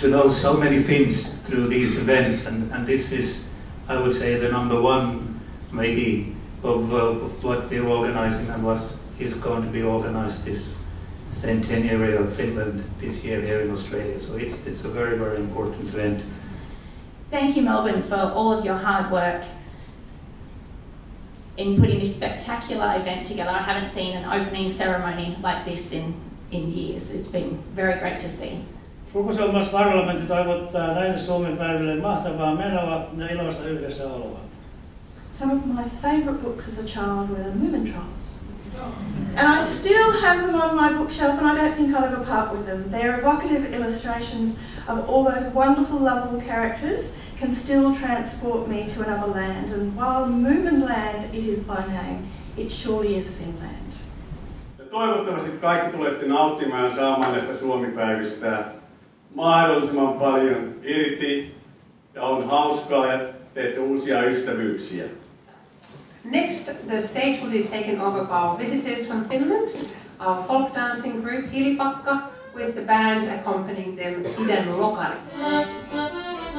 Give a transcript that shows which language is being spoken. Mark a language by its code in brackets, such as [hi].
[en] So many Finns through these events, and this is, I would say, the number one, maybe, of what we're organizing and what is going to be organized this centenary of Finland this year here in Australia. So it's a very, very important event. Thank you, Melbourne, for all of your hard work in putting this spectacular event together. I haven't seen an opening ceremony like this in years. It's been very great to see. [fi] Koko Suomen parlamentti toivottaa näille Suomen päiville mahtavaa menoa ja iloista yhdessä oloa. [en] Some of my favorite books as a child were the Moomin Trolls. And I still have them on my bookshelf and I don't think I'll ever part with them. They're evocative illustrations of all those wonderful, lovable characters can still transport me to another land. And while Moominland it is by name, it surely is Finland. [fi] Toivottavasti kaikki tulette nauttimaan saamaan näistä Suomi-päivistä mahdollisimman paljon irti ja on hauskaa ja teette uusia ystävyyksiä. [en] Next, the stage will be taken over by our visitors from Finland, our folk dancing group Hilipakka, with the band accompanying them, Hiden Lokarit.